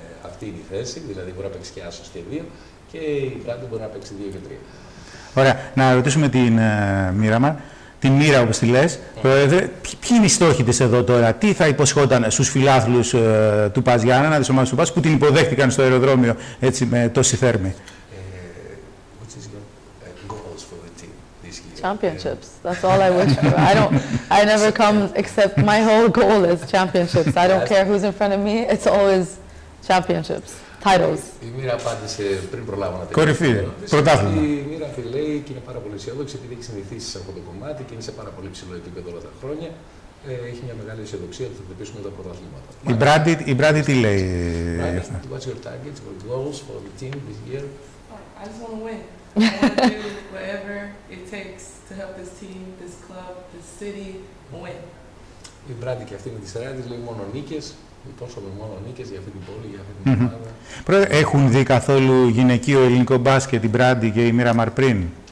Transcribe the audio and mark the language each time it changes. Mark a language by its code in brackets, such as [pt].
[el] Αυτή είναι η θέση, δηλαδή μπορεί να παίξει και άσος και δύο και η Βράντη μπορεί να παίξει δύο και τρία. Ωραία. Να ρωτήσουμε την Μοίρα μας. Τη Μοίρα, όπως τη λες, πρόεδρε, ποιοι είναι οι στόχοι της εδώ τώρα, τι θα υποσχόταν στους φιλάθλους του ΠΑΣ Γιάννενα, της ομάδας του ΠΑΣ, που την υποδέχτηκαν στο αεροδρόμιο έτσι με τόση θέρμη. [en] What is your goals for the team this year? Championships. That's all I wish for. I never come except my whole goal is championships. I don't care who's in front of me. It's always championships. Titles. [el] Η Μοίρα απάντησε πριν προλάβω να τελειώσω. Κορυφή. Η Μοίρα τη λέει και είναι πάρα πολύ αισιόδοξη επειδή έχει συνηθίσει σε αυτό το κομμάτι και είναι σε πάρα πολύ ψηλό επίπεδο όλα τα χρόνια. Έχει μια μεγάλη αισιοδοξία ότι θα κερδίσουμε τα πρωταθλήματα. Η Μπράντι τι λέει? [en] What's your target, your goals for the team this year? I just want to win. I want to do whatever it takes to help this team, this club, this city win. [el] Η Μπράντι και αυτή με τη σειρά τη λέει μόνο νίκες. Υπόσχομαι μόνο νίκες για αυτή την πόλη, για αυτή την ομάδα. Πρόεδρε, έχουν δει καθόλου γυναικείο ελληνικό μπάσκετ, η Μπράντι και η Μοίρα Μαρ πριν?